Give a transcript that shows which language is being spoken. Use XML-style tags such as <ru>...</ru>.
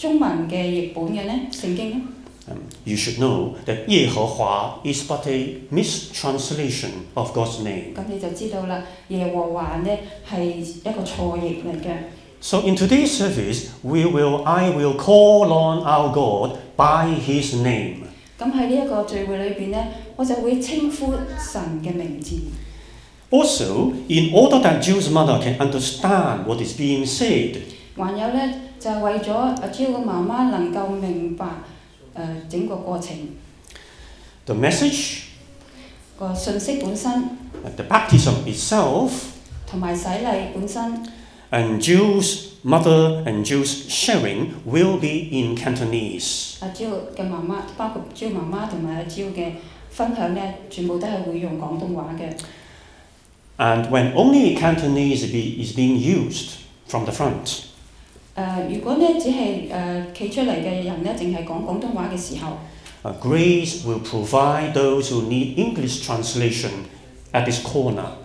<yue>但我們當中如果你用中文的譯本的呢， 聖經呢，</yue> <en>You should know that 耶和華 is but a mistranslation of God's name.</en> <yue>那你就知道了， 耶和華呢是一個錯譯來的。</yue> <en>So in today's service, I will call on our God by His name.</en> <yue>那在這個聚會裡面呢，我就會稱呼神的名字。</yue> <en>Also, in order that Jill's mother can understand what is being said,</en> <yue>還有呢，就是為了Jill的媽媽能夠明白 整個過程，</yue> <en>the message,</en> <yue>個信息本身，</yue> <en>the baptism itself,</en> <yue>同埋洗禮本身，</yue> <en>and Jill's mother and Jill's sharing will be in Cantonese.</en> <yue>Jill的媽媽， 包括Jill媽媽和Jill的分享呢， 全部都是會用廣東話的。</yue> <en>And when only Cantonese is being used from the front,</en> <yue>如果只是站出來的人只是講廣東話的時候，</yue> <en>Grace will provide those who need English translation at this corner.</en>